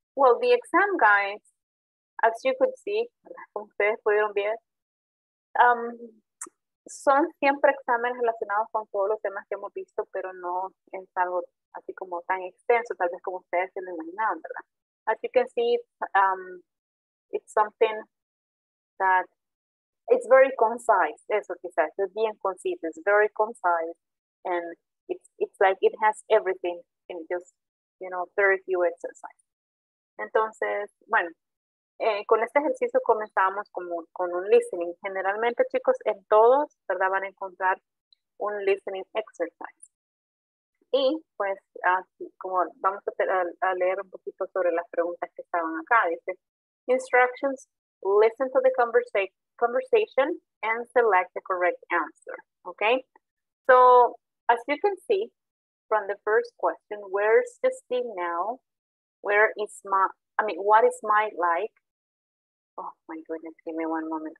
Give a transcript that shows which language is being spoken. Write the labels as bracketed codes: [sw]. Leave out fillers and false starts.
[en] Well, the exam, guys, as you could see, [es] como ustedes pudieron ver, son siempre exámenes relacionados con todos los temas que hemos visto, pero no es algo así como tan extenso, tal vez como ustedes se lo imaginaban, ¿verdad? [en] As you can see, it's something that it's very concise, [es] eso quizás, es bien conciso, [en] it's very concise, and it's like it has everything in just, you know, very few exercises. [es] Entonces, bueno, con este ejercicio comenzamos con un listening. Generalmente, chicos, en todos, ¿verdad?, van a encontrar un listening exercise. Y, pues, así, como vamos a leer un poquito sobre las preguntas que estaban acá. [en] Dice, instructions, listen to the conversation and select the correct answer. Okay? So, as you can see from the first question, where's the scene now? Where is my, I mean, what is my like? Oh my goodness, give me one moment.